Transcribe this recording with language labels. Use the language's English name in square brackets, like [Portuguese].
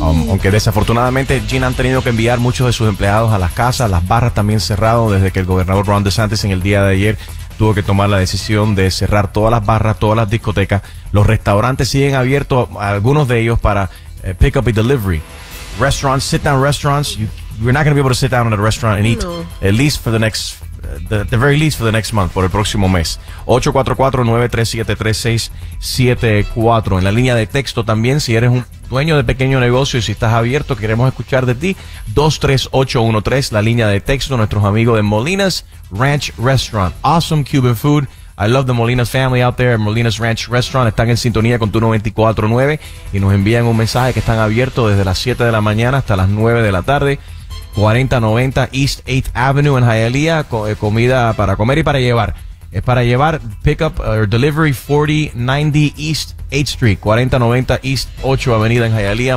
[Spanish] Aunque desafortunadamente, Gina, han tenido que enviar muchos de sus empleados a las casas. Las barras también cerraron desde que el gobernador Ron DeSantis en el día de ayer tuvo que tomar la decisión de cerrar todas las barras, todas las discotecas. Los restaurantes siguen abiertos, algunos de ellos para pick up y delivery. [English] Restaurants, sit down restaurants, you're not going to be able to sit down at a restaurant and eat. No. At least for the next, the very least for the next month, [Spanish] por el próximo mes. 844-937-3674. En la línea de texto también, si eres un dueño de pequeño negocio y si estás abierto, queremos escuchar de ti. 23813, la línea de texto, nuestros amigos de Molina's Ranch Restaurant. [English] Awesome Cuban food. I love the Molina's family out there, Molina's Ranch Restaurant. [Spanish] Están en sintonía con tu 94.9 y nos envían un mensaje que están abiertos desde las 7 de la mañana hasta las 9 de la tarde. 4090 East 8th Avenue en Hialeah, comida para comer y para llevar. Es para llevar, [English] pick up or delivery, [Spanish] 4090 East 8th Street, 4090 East 8th Avenida en Hialeah.